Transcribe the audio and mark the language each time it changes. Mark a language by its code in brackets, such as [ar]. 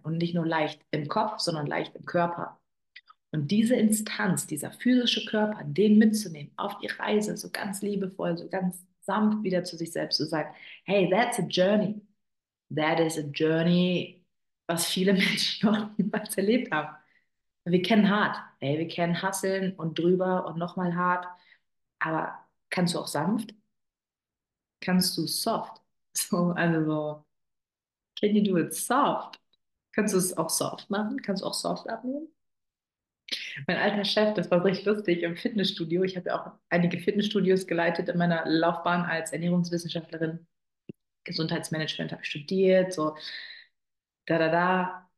[de] Und nicht nur leicht im Kopf, sondern leicht im Körper. Und diese Instanz, dieser physische Körper, den mitzunehmen auf die Reise, so ganz liebevoll, so ganz sanft wieder zu sich selbst zu sein. [en] Hey, that's a journey. That is a journey, [de] was viele Menschen noch niemals erlebt haben. Wir kennen hart, ey, wir kennen hustlen und drüber und nochmal hart. Aber kannst du auch sanft? Kannst du soft? [en] So, [de] also so, [en] can you do it soft? [de] Kannst du es auch soft machen? Kannst du auch soft abnehmen? Mein alter Chef, das war richtig lustig, im Fitnessstudio. Ich habe ja auch einige Fitnessstudios geleitet in meiner Laufbahn als Ernährungswissenschaftlerin. Gesundheitsmanagement habe ich studiert, so da.